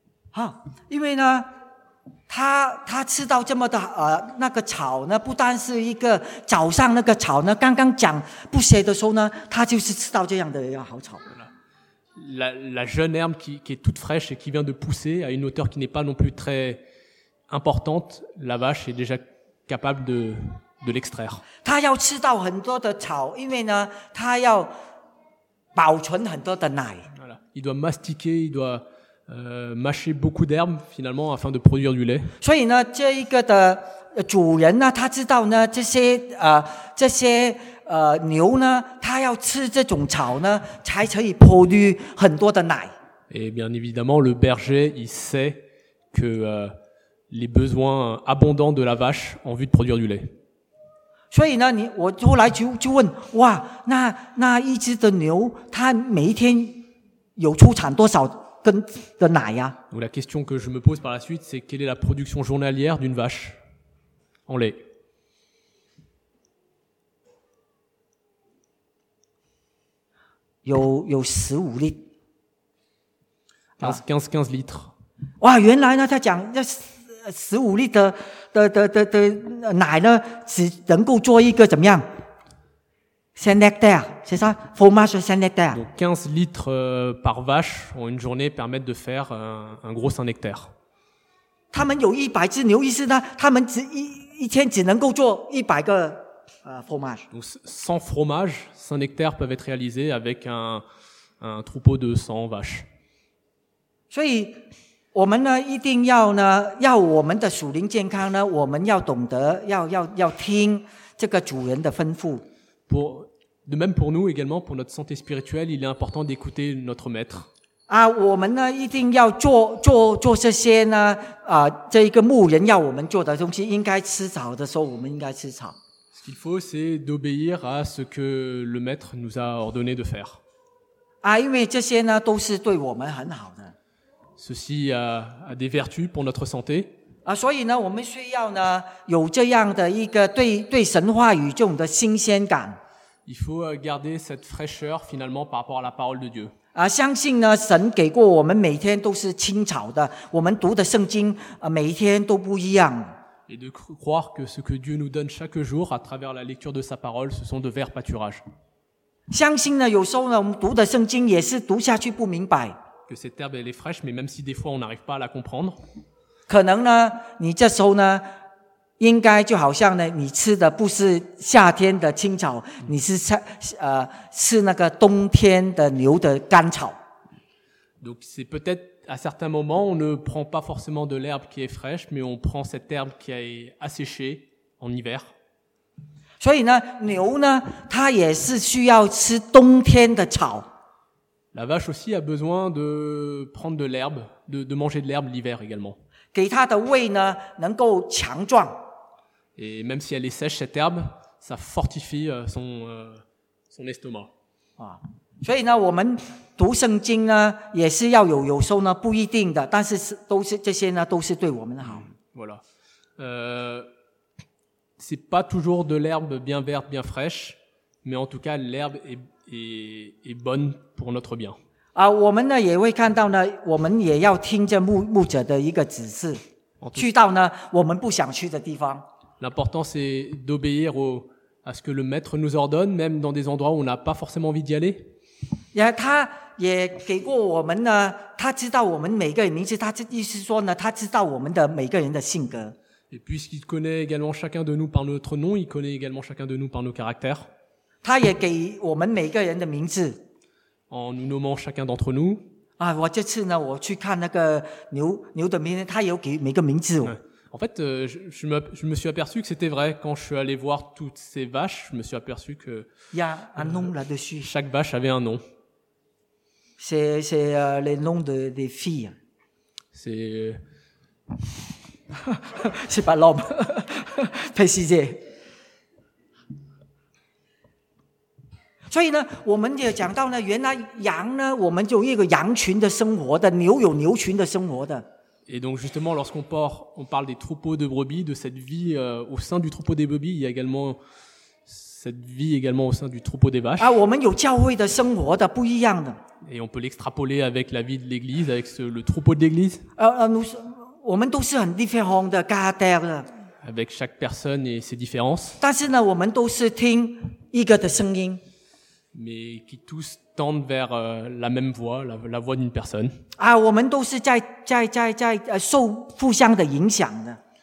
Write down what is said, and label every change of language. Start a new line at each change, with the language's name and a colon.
Chinese: 啊，因为呢，他吃到这么的那个草呢，不单是一个早上那个草呢，刚刚讲不歇的时候呢，他就是吃到这样的一个好草。
French: La jeune herbe qui est toute fraîche et qui vient de pousser à une hauteur qui n'est pas non plus très importante, la vache est déjà capable de l'extraire.
Chinese: 他要吃到很多的草，因为呢，他要保存很多的奶。
French: Voilà. Il doit mastiquer, il doit mâcher beaucoup d'herbes finalement afin de produire du lait.
Chinese: 所以呢，这一个的主人呢，他知道呢，这些牛呢，他要吃这种草呢，才可以
French: produire
Chinese: 很多的奶。
French: Et bien évidemment, le berger il sait que les besoins abondants de la vache en vue de produire du lait.
Chinese: 所以呢，我后来就问，哇，那一只的牛，它每一天有出产多少？跟的奶呀、啊。
French: La question que je me pose par la suite, c'est quelle est la production journalière d'une vache en lait?
Chinese: 有
French: 15 litres. 15 litres.
Chinese: 哇，原来呢，他讲那
French: 15 litres
Chinese: 的奶呢，只能够做一个怎么样？
French: Saint Nectaire, c'est ça? Fromage Saint Nectaire. Donc 15 litres par vache en une journée permettent de faire un gros Saint Nectaire.
Chinese: 他们有100只牛，意思呢，他们只一天只能够做100个
French: fromage. Donc sans fromage, Saint Nectaire peuvent être réalisés avec un troupeau de 100 vaches.
Chinese: 所以我们呢，一定要呢，要我们的属灵健康呢，我们要懂得要听这个主人的吩咐。
French: De même pour nous également, pour notre santé spirituelle, il est important d'écouter notre maître.
Chinese: Ah, 我们呢一定要做这些呢啊、这一个牧人要我们做的东西，应该吃草的时候，我们应该吃草。
French: Ce qu'il faut, c'est d'obéir à ce que le maître nous a ordonné de faire.
Chinese: Ah, 因为这些呢都是对我们很好的。
French: Ceci a des vertus pour notre santé.
Chinese: 啊、所以呢，我们需要呢有这样的一个对神话语这种的新鲜感。
French: Il faut garder cette fraîcheur finalement par rapport à la parole de Dieu.
Chinese: 啊，相信呢，神给过我们每天都是清朝的，我们读的圣经啊，每一天都不一样。
French: Et de croire que ce que Dieu nous donne chaque jour à travers la lecture de sa parole, ce sont de verts pâturages.
Chinese: 相信呢，有时候呢，我们读的圣经也是读下去不明白。
French: Que cette herbe elle est fraîche, mais même si des fois on n'arrive pas à la comprendre.
Chinese: 可能呢，你这时候呢，应该就好像呢，你吃的不是夏天的青草，你是吃那个冬天的牛的干草。
French: Donc c'est peut-être à certains moments on ne prend pas forcément de l'herbe qui est fraîche, mais on prend cette herbe qui est asséchée en hiver.
Chinese: 所以呢，牛呢，它也是需要吃冬天的草。
French: La vache aussi a besoin de prendre de l'herbe, de manger de l'herbe l'hiver également.
Chinese: 给它的胃呢能够强壮。
French: Et même si elle est sèche, cette herbe, ça fortifie son estomac.
Chinese: 啊，所以呢，我们读圣经呢，也是要有时候呢不一定的，但是都是这些呢都是对我们的好。
French: Voilà. C'est pas toujours de l'herbe bien verte, bien fraîche, mais en tout cas, l'herbe est bonne pour notre bien.
Chinese: 啊、我们呢也会看到呢，我们也要听着牧者的一个指示，去到呢我们不想去的地方。
French: L'important c'est d'obéir à ce que le maître nous ordonne, même dans des endroits où on n'a pas forcément envie d'y aller.
Chinese: 也他也给过我们呢，他知道我们每个人名字，他意思说呢，他知道我们的每个人的性格。
French: Et puisqu'il connaît également chacun de nous par notre nom, il connaît également chacun de nous par nos caractères.
Chinese: 他也给我们每个人的名字。
French: En nous nommant chacun d'entre nous.
Chinese: 啊，我这次呢，我去看那个牛的名字，他有给每个名字。
French: En fait, je me suis aperçu que c'était vrai quand je suis allé voir toutes ces vaches. Je me suis aperçu que il y a un nom là-dessus. Chaque vache avait un nom. C'est les noms des filles. C'est c'est pas l'homme. Précisez.
Chinese: 所以呢，我们也讲到呢，原来羊呢，我们就一个羊群的生活的，牛有牛群的生活的。
French: Et donc justement, lorsqu'on parle des troupeaux de brebis, de cette vie au sein du troupeau des brebis, il y a également cette vie également au sein du troupeau des vaches.
Chinese: 啊，我们有教会的生活的不一样的。
French: Et on peut l'extrapoler avec la vie de l'Église, avec le troupeau de l'Église. nous,
Chinese: 我们都是很
French: différent
Chinese: 的
French: caractère. Avec chaque personne et ses différences.
Chinese: 但是呢，我们都是听一个的声音。
French: Mais qui tous tendent vers la même voie, la voie d'une personne.
Chinese: 啊，我们都是在受互相的影响的。